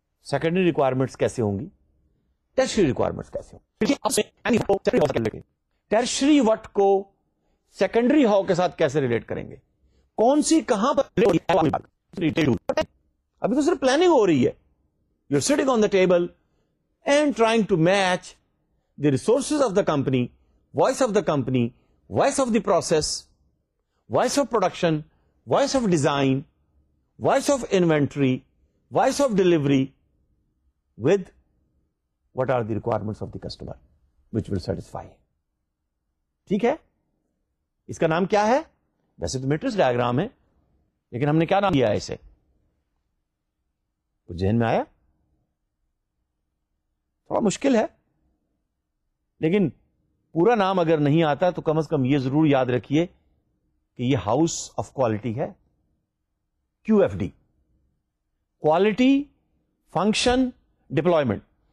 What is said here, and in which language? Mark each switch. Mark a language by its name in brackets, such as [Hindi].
[Urdu] Secondary requirements کیسے ہوں گی, ٹرشری ریکوائرمنٹس کیسے ہوں گی. ٹرشری وٹ کو سیکنڈری ہاؤ کے ساتھ کیسے ریلیٹ کریں گے, کون سی کہاں پر ہو رہی ہے؟ ابھی تو صرف پلاننگ ہو رہی ہے. [English] You are sitting on the table and trying to match the resources of the company, voice of the company, voice of the process, voice of production, voice of design, voice of inventory, voice of delivery with what are the requirements of the customer which will satisfy. [Urdu] ٹھیک ہے, اس کا نام کیا ہے؟ ویسے تو matrix diagram ہے لیکن ہم نے کیا نام دیا ہے اسے؟ کچھ ذہن میں آیا؟ تھوڑا مشکل ہے لیکن پورا نام اگر نہیں آتا تو کم از کم یہ ضرور یاد رکھیے کہ یہ ہاؤس آف کوالٹی ہے, کیو F D, quality function deployment.